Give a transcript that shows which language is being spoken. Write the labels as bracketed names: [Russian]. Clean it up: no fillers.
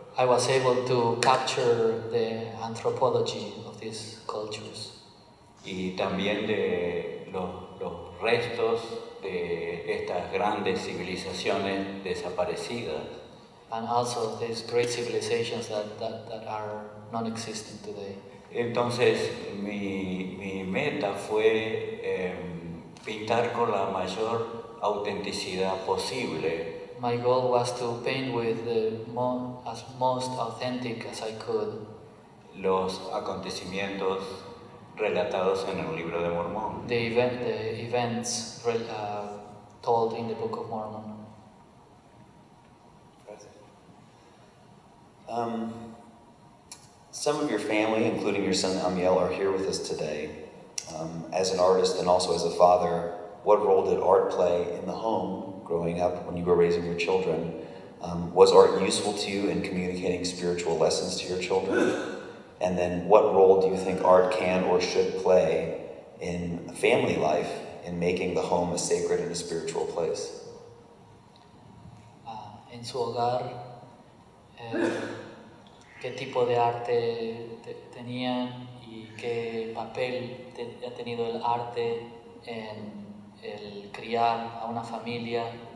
[English] I was able to capture the anthropology of these cultures. [Spanish] Y también de los restos de estas grandes civilizaciones desaparecidas. [English] And also these great civilizations that are non-existent today. [Spanish] Entonces mi meta fue pintar con la mayor autenticidad posible. [English] My goal was to paint with the most authentic as I could. [Spanish] Los acontecimientos relatados en el Libro de Mormón. [English] The events told in the Book of Mormon. Some of your family, including your son Amiel, are here with us today. As an artist and also as a father, what role did art play in the home growing up when you were raising your children? Was art useful to you in communicating spiritual lessons to your children? And then what role do you think art can or should play in family life in making the home a sacred and a spiritual place? [Spanish] En su hogar, ¿qué tipo de arte tenían y qué papel ha tenido el arte en el criar a una familia?